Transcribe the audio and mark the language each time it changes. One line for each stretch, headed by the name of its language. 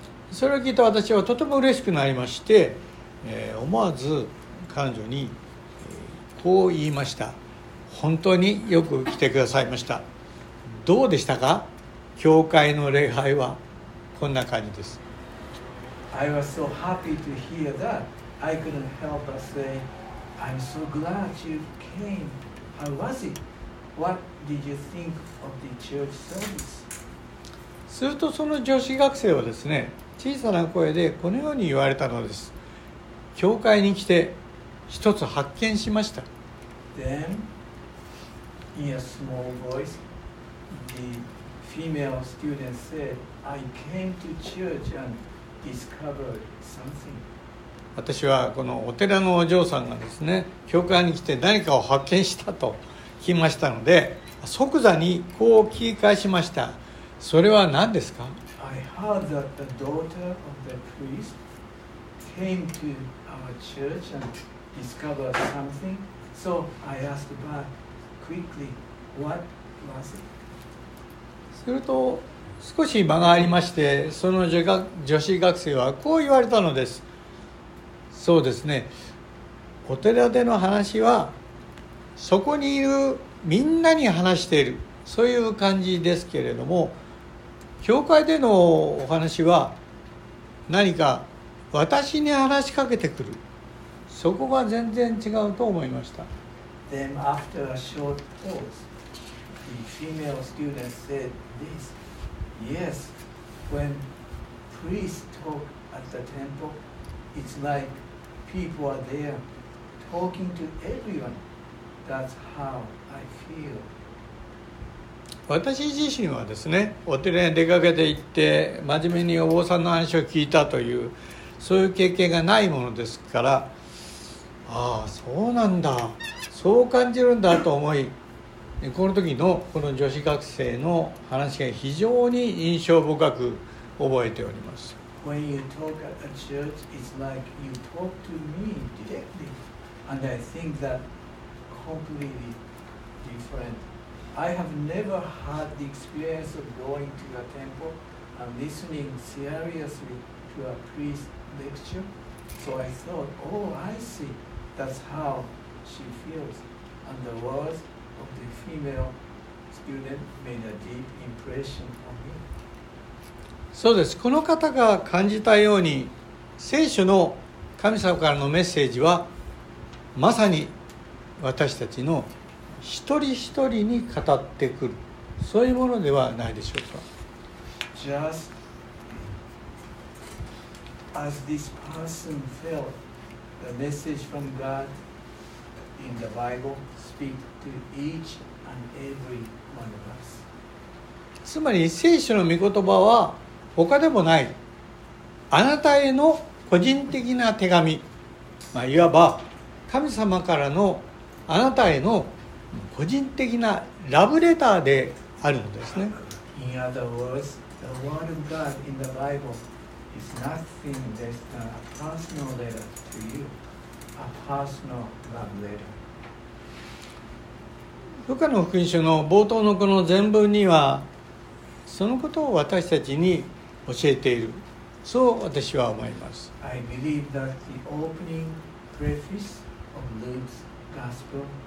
Japanese: それを聞いた私はとても嬉しくなりまして、思わず彼女に、こう言いました。本当によく来てくださいました。どうでしたか、教会の礼拝は。こんな感じです。
English: I was so happy to hear that. I couldn't help but say, I'm so glad you came. How was it? What did you think of the church service?
Japanese: するとその女子学生はですね、小さな声でこのように言われたのです。教会に来て一つ発見しました。
English: Then, in a small voice, the female student said, I came to church and discovered something.
Japanese: 私はこのお寺のお嬢さんがですね、教会に来て何かを発見したと聞きましたので、即座にこう聞き返しました。それは何ですか？
English: I heard that the daughter of the priest came to our church and discovered something. So I asked back quickly, what was it?
Japanese: すると少し間がありまして、その女子学生はこう言われたのです。そうですね。お寺での話はそこにいるみんなに話している。そういう感じですけれども、教会でのお話は何か私に話しかけてくる、そこが全然違うと思いました。
English: Then after a short pause, the female student said this. Yes, when priests talk at the temple, it's like people are there talking to everyone. That's how I feel.
Japanese: 私自身はですね、お寺に出かけて行って真面目にお坊さんの話を聞いたという、そういう経験がないものですから、ああそうなんだ、そう感じるんだと思い、この時のこの女子学生の話が非常に印象深く覚えております。
English: When you talk at a church, it's like you talk to me directly, and I think that completely differentI have never had the experience of going to a temple and listening seriously to a priest lecture. So I thought, oh, I see. That's how she feels. And the words of the female student made a deep impression on me.
Japanese: そうです。この方が感じたように、聖書の神様からのメッセージはまさに私たちの一人一人に語ってくる、そういうものではないでしょうか。
English: Just as this person felt the message from God in the Bible speak to each and every one of us.
Japanese: つまり聖書の御言葉は他でもない、あなたへの個人的な手紙、まあ、いわば神様からのあなたへの個人的なラブレターであるのですね。
English: In other words, the word of God in the Bible is nothing less than a personal letter to you, a personal love letter.
Japanese: ルカの福音書の冒頭のこの全文にはそのことを私たちに教えている、そう私は思います。
English: I believe that the opening preface of Luke's Gospel